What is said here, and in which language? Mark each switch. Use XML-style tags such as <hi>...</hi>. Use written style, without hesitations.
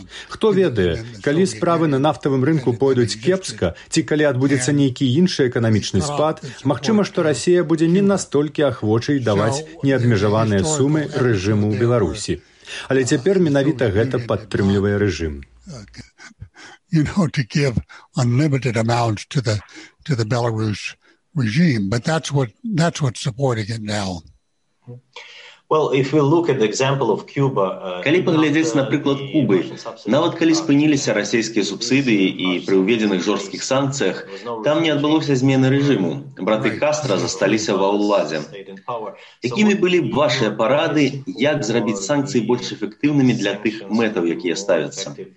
<be>Хто ведае, калі справы на нафтавым рынку пойдуць кепска, ці калі адбудзецца нейкі іншы эканамічны спад, магчыма, што Расія будзе не настолькі ахвочай даваць неабмежаваныя сумы рэжыму ў Беларусі. Але цяпер менавіта гэта падтрымлівае рэжым.</be> <en>To give unlimited amounts to the Belarus regime, but that's what's supporting it now.</en> <be>Калі паглядзець на прыклад Кубы, нават калі спыніліся расійскія субсідыі і пры ўведзеных жорсткіх санкцыях, там не адбылося змены рэжыму. Браты Кастра засталіся ва ўладзе. Якімі былі б вашыя парады, як зрабіць санкцыі больш эфектыўнымі для тых мэтаў, якія ставяцца?</be>